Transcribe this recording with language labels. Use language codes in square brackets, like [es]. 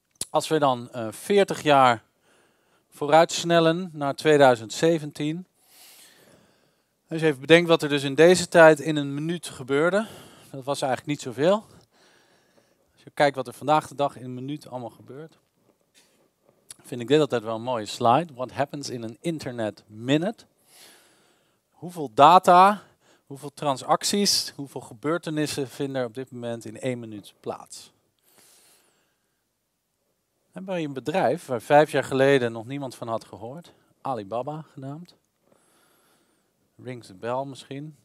[nl] Als we dan 40 jaar vooruitsnellen naar 2017. Dus even bedenken wat er dus in deze tijd in een minuut gebeurde. Dat was eigenlijk niet zoveel. Kijk wat er vandaag de dag in een minuut allemaal gebeurt. Vind ik dit altijd wel een mooie slide. [en] What happens in an internet minute? [nl] Hoeveel data, hoeveel transacties, hoeveel gebeurtenissen vinden er op dit moment in 1 minuut plaats? Hebben we een bedrijf waar 5 jaar geleden nog niemand van had gehoord? Alibaba genaamd. [en] Rings the bell [nl] misschien.